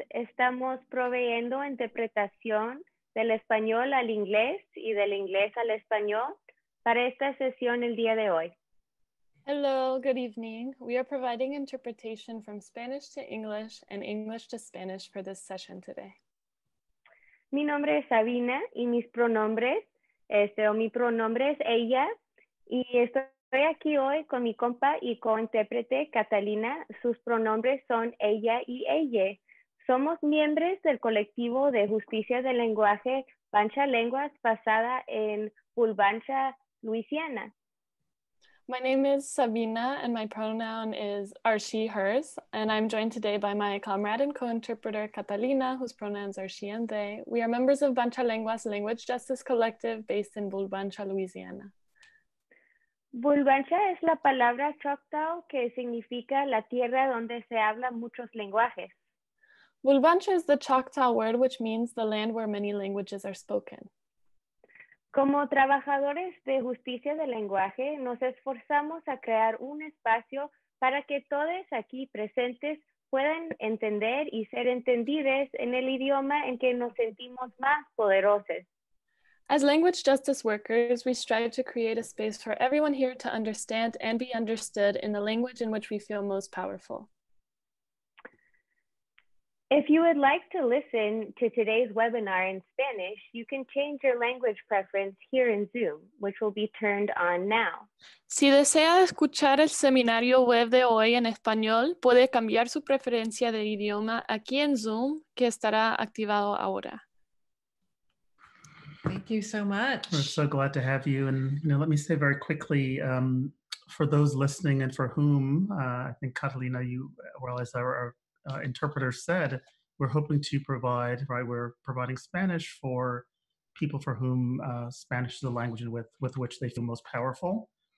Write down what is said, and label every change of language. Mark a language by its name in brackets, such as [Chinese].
[Spanish] Estamos proveyendo interpretación del español al inglés y del inglés al español para esta sesión el día de hoy. [English] Hello, good evening. We are providing interpretation from Spanish to English and English to Spanish for this session today. [Spanish] Mi nombre es Sabina y mis pronombres, mi pronombre es ella y estoy aquí hoy con mi compa y co-intérprete Catalina. Sus pronombres son ella y ella. Somos miembros del colectivo de justicia del lenguaje Pancha Lenguas basada en Pulbancha, Luisiana. [English] My name is Sabina and my pronoun is are she, hers. And I'm joined today by my comrade and co-interpreter Catalina, whose pronouns are she and they. We are members of Pancha Lenguas Language Justice Collective based in Pulbancha, Luisiana. [Spanish] Pulbancha es la palabra Choctaw que significa la tierra donde se hablan muchos lenguajes. [English] Pulbancha is the Choctaw word, which means the land where many languages are spoken. [Spanish] Como trabajadores de justicia del lenguaje, nos esforzamos a crear un espacio para que todos aquí presentes puedan entender y ser entendidos en el idioma en que nos sentimos más poderosos. [English] As language justice workers, we strive to create a space for everyone here to understand and be understood in the language in which we feel most powerful. If you would like to listen to today's webinar in Spanish, you can change your language preference here in Zoom, which will be turned on now. [Spanish] Si desea escuchar el seminario web de hoy en español, puede cambiar su preferencia de idioma aquí en Zoom, que estará activado ahora. [English] Thank you so much. We're so glad to have you. And you know, let me say very quickly, for those listening and for whom, I think Catalina, you realize there are interpreter said, we're hoping to provide, right, we're providing Spanish for people for whom Spanish is the language with which they feel most powerful.